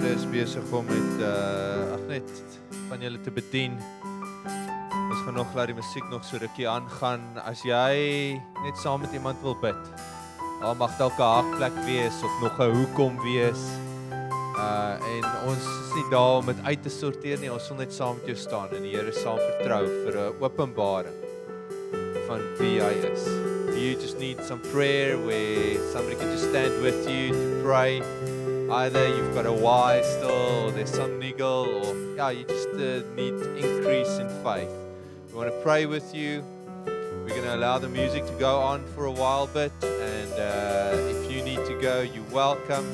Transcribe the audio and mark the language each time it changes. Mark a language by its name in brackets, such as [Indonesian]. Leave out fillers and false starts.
[Afrikaans] besig om met net van julle te bedien. Ons gaan nog laat die musiek nog so rukkie aangaan. As jy net saam met iemand wil bid, al mag elke haakplek wees of nog 'n hoekom wees. En ons is nie daar om dit uit te sorteer nie, ons wil net saam met jou staan en die Here saam vertrou vir 'n openbaring van wie hy is. [English] Do you just need some prayer where somebody can just stand with you to pray? Either you've got a why still, or there's some niggle, or yeah, you just need increase in faith. We want to pray with you. We're going to allow the music to go on for a while bit, and if you need to go, you're welcome.